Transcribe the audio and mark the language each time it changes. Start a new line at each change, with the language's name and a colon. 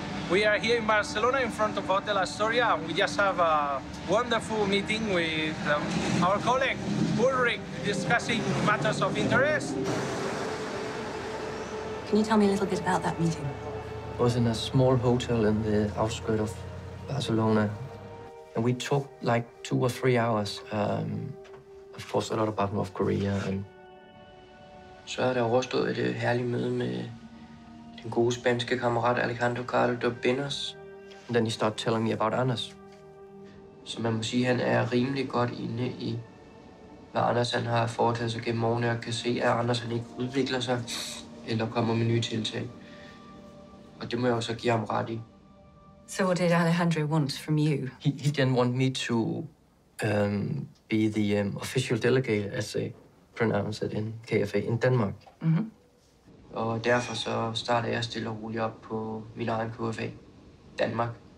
English: We are here in Barcelona in front of Hotel Astoria, and we just have a wonderful meeting with our colleague, Ulrich, discussing matters of interest. Can you tell me a little bit about that meeting? I was in a small hotel in the outskirts of Barcelona. And we talked like 2 or 3 hours. Of course, a lot about North Korea. And
Danish: så er der overstået det herlige møde med Min gode spanske kammerat Alejandro Cao de Benos.
English: And then he started telling me about Anders.
Danish: Så man må sige, at han er rimelig godt inde i, hvad Anders han har foretaget sig gennem årene, og kan se, at Anders han ikke udvikler sig eller kommer med nye tiltag. Og det må jeg også give ham ret i.
English: So what did Alejandro want from you? He didn't want me to be the official delegate, as they pronounce it in KFA, in Denmark. Mm-hmm.
Danish: Og derfor så startede jeg stille og roligt op på min egen KFA, Danmark.